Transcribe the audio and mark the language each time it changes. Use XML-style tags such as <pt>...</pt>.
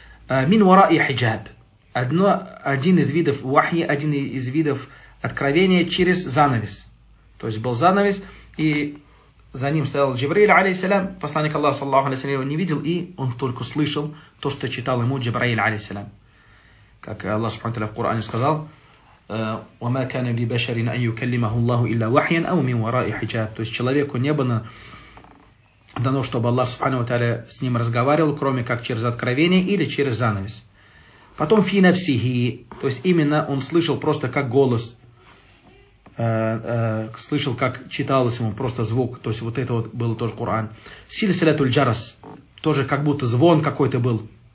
<ru>Мин вара и хиджаб. Один из видов вахи, один из видов откровения через занавес. То есть был занавес, и за ним стоял Джибриль, алейхиссалям, посланник Аллаха, саллаллаху алейхиссалям, его не видел, и он только слышал то, что читал ему Джибриль, алейхиссалям. Как Аллах, субхану тааля, в Коране сказал:</ru> <ar>وَمَا كَانَ لِبَشَرٍ أَنْ يُكَلِّمَهُ اللَّهُ إِلَّا وَحْيًا أَوْ مِنْ وَرَاءِ حِجَابٍ.</ar> <ru>То есть человеку не было дано, чтобы Аллах Субхану ва Тааля с ним разговаривал, кроме как через откровение или через занавес. Потом фи нафсихи, то есть именно он слышал просто как голос, слышал, как читалось ему просто звук, то есть вот это вот было тоже Коран. Силсилатуль джарас, тоже как будто звон какой-то был,</ru>